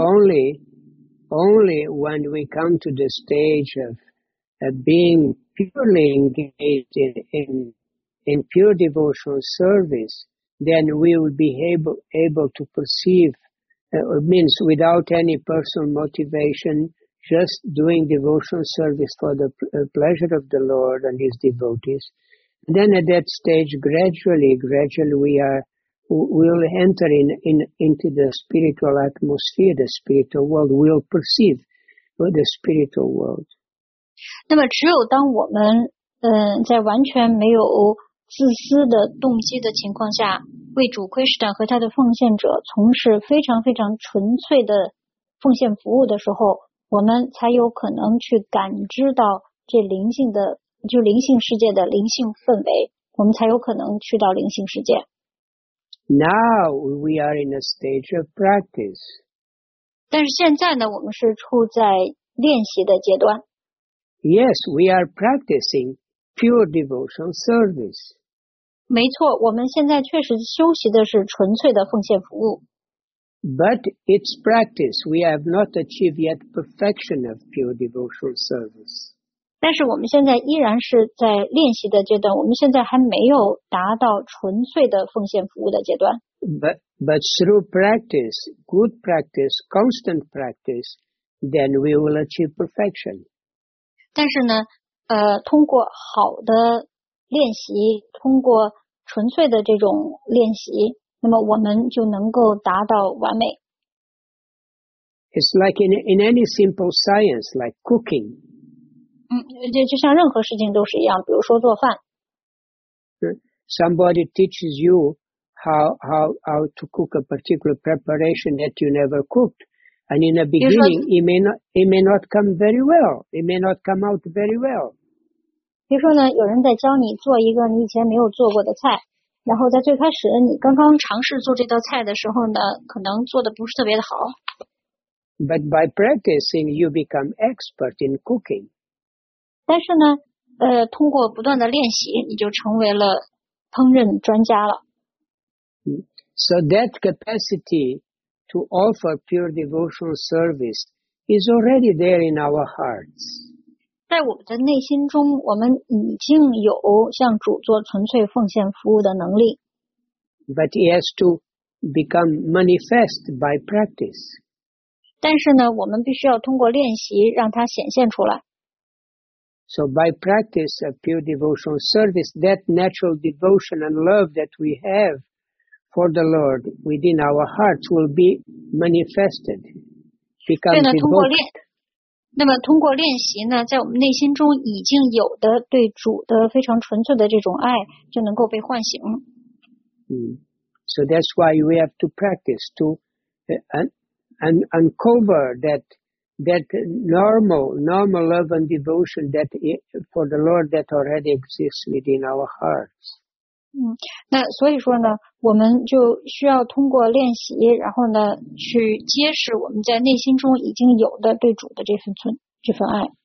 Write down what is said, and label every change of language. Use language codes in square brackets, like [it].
[en] Only when we come to the stage of being purely engaged in pure devotional service, then we will be able to perceive It means without any personal motivation, just doing devotional service for the pleasure of the Lord and His devotees. And then at that stage, gradually we will enter into the spiritual atmosphere, the spiritual world. We'll perceive the spiritual world. [zh] 那么只有当我们在完全没有自私的动机的情况下，为主 Krishna 和他的奉献者从事非常非常纯粹的奉献服务的时候，我们才有可能去感知到这灵性的，就灵性世界的灵性氛围，我们才有可能去到灵性世界。 [en] Now we are in a stage of practice. [zh] 但是现在呢，我们是处在练习的阶段。 [en] Yes, we are practicing pure devotional service. [zh] 没错，我们现在确实修习的是纯粹的奉献服务。 [en] But it's practice. We have not achieved yet perfection of pure devotional service. [zh] 但是我们现在依然是在练习的阶段，我们现在还没有达到纯粹的奉献服务的阶段。 [en] But through practice, good practice, constant practice, then we will achieve perfection. [zh] 但是呢，通过好的练习，通过纯粹的这种练习，那么我们就能够达到完美。 [en] It's like in any simple science, like cooking. [zh] 就像任何事情都是一样，比如说做饭。 [en] Somebody teaches you how to cook a particular preparation that you never cooked, and in the beginning, it may not come very well. It may not come out very well. [zh] 比如说呢，有人在教你做一个你以前没有做过的菜，然后在最开始你刚刚尝试做这道菜的时候呢，可能做的不是特别的好。 [en] But by practicing, you become expert in cooking. [zh] 但是呢，通过不断的练习，你就成为了烹饪专家了。 [en] So that capacity to offer pure devotional service is already there in our hearts. [zh] 在我们的内心中，我们已经有向主做纯粹奉献服务的能力。 [en] But it has to become manifest by practice. [zh] 但是呢，我们必须要通过练习让它显现出来。 [en] So by practice of pure devotional service, that natural devotion and love that we have for the Lord within our hearts will be manifested, become devoted. [zh] 那么通过练习呢，在我们内心中已经有的对主的非常纯粹的这种爱就能够被唤醒。 [en] So that's why we have to practice to uncover that normal love and devotion that for the Lord that already exists within our hearts. [zh] 那所以说呢，我们就需要通过练习，然后呢，去揭示我们在内心中已经有的对主的这份爱。